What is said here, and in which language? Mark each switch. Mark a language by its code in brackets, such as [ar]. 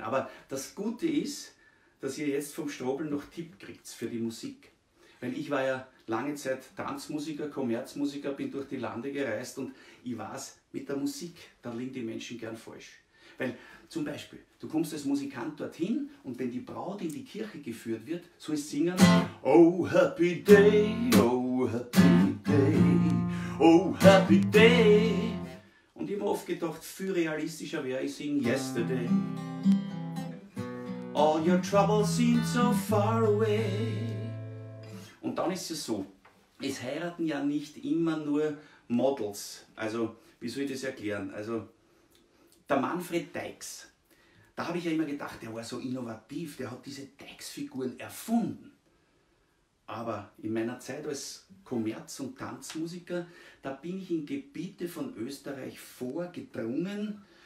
[de] Aber das Gute ist, dass ihr jetzt vom Strobel noch Tipp kriegt für die Musik. Weil ich war ja lange Zeit Tanzmusiker, Kommerzmusiker, bin durch die Lande gereist und ich weiß, mit der Musik, da liegen die Menschen gern falsch. Weil zum Beispiel, du kommst als Musikant dorthin und wenn die Braut in die Kirche geführt wird, soll es singen. [en] Oh happy day, oh happy day, oh happy day. [de] Und ich habe oft gedacht, viel realistischer wäre, ich singe yesterday. [en] All your troubles seem so far away. [de] Und dann ist es so, es heiraten ja nicht immer nur Models. Also, wie soll ich das erklären? Also, der Manfred Deichs. Da habe ich ja immer gedacht, der war so innovativ, der hat diese Deichs-Figuren erfunden. Aber in meiner Zeit als Kommerz- und Tanzmusiker, da bin ich in Gebiete von Österreich vorgedrungen.